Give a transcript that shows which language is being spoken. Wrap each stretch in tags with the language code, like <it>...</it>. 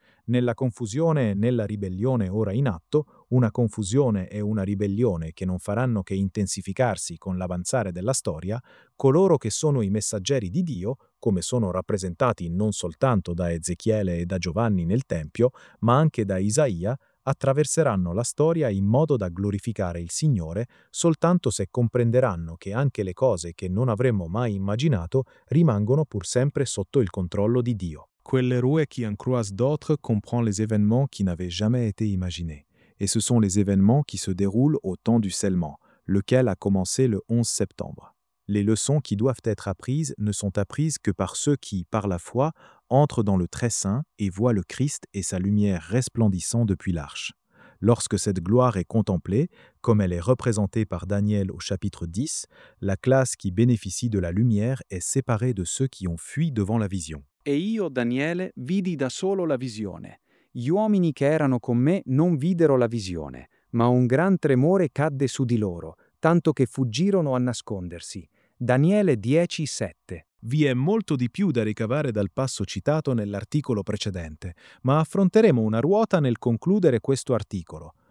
<it>Nella confusione e nella ribellione ora in atto, una confusione e una ribellione che non faranno che intensificarsi con l'avanzare della storia, coloro che sono i messaggeri di Dio, come sono rappresentati non soltanto da Ezechiele e da Giovanni nel Tempio, ma anche da Isaia, attraverseranno la storia in modo da glorificare il Signore soltanto se comprenderanno che anche le cose che non avremmo mai immaginato rimangono pur sempre sotto il controllo di Dio.</it> <fr>Quelle roue qui en croisent d'autres comprend les événements qui n'avaient jamais été imaginés. Et ce sont les événements qui se déroulent au temps du scellement, lequel a commencé le 11 septembre. Les leçons qui doivent être apprises ne sont apprises que par ceux qui, par la foi, entrent dans le très saint et voient le Christ et sa lumière resplendissant depuis l'arche. Lorsque cette gloire est contemplée, comme elle est représentée par Daniel au chapitre 10, la classe qui bénéficie de la lumière est séparée de ceux qui ont fui devant la vision.</fr> <it>E io, Daniele, vidi da solo la visione. Gli uomini che erano con me non videro la visione, ma un gran tremore cadde su di loro, tanto che fuggirono a nascondersi. Daniele 10:7. Vi è molto di più da ricavare dal passo citato nell'articolo precedente, ma affronteremo una ruota nel concludere questo articolo.</it>